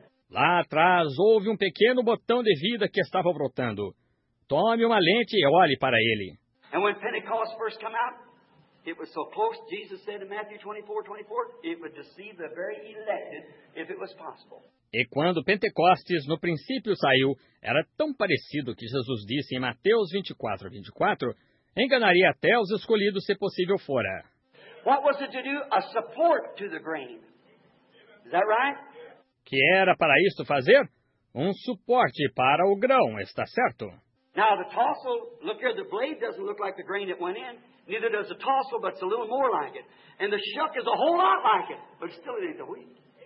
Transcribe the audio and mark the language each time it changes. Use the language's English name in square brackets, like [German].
[Portuguese] Lá atrás, houve um pequeno botão de vida que estava brotando. Tome uma lente e olhe para ele. [English] And when Pentecost first came out, it was so close, Jesus said in Matthew 24:24, it would deceive the very elected if it was possible. [Portuguese] E quando Pentecostes, no princípio, saiu, era tão parecido que Jesus disse em Mateus 24:24, enganaria até os escolhidos se possível fora. [English] What was it to do? A support to the grain. Is that right? [Portuguese] Que era para isto fazer? Um suporte para o grão, está certo? [English] Now the tassel, look here, the blade doesn't look like the grain that went in. Neither does the tassel, but it's a little more like it. And the shuck is a whole lot like it, but still it ain't the wheat.